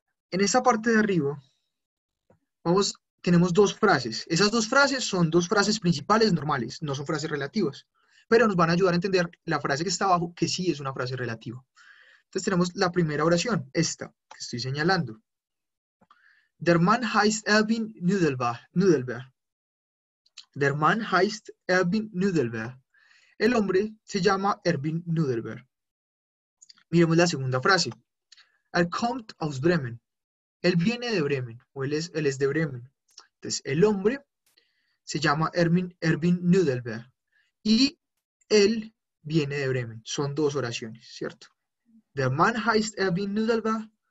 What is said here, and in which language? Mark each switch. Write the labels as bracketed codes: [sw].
[es] En esta parte de arriba, tenemos dos frases. Esas dos frases son dos frases principales normales, no son frases relativas, pero nos van a ayudar a entender la frase que está abajo, que sí es una frase relativa. Entonces tenemos la primera oración, esta, que estoy señalando. [de] Der Mann heißt Erwin Nudelberg. Der Mann heißt Erwin Nudelberg. [es] El hombre se llama Erwin Nudelberg. Miremos la segunda frase. [de] Er kommt aus Bremen. [es] Él viene de Bremen, o él es de Bremen. Entonces, el hombre se llama Erwin Nudelberg. Y él viene de Bremen. Son dos oraciones, ¿cierto? [de] Der Mann heißt Erwin Nudelberg.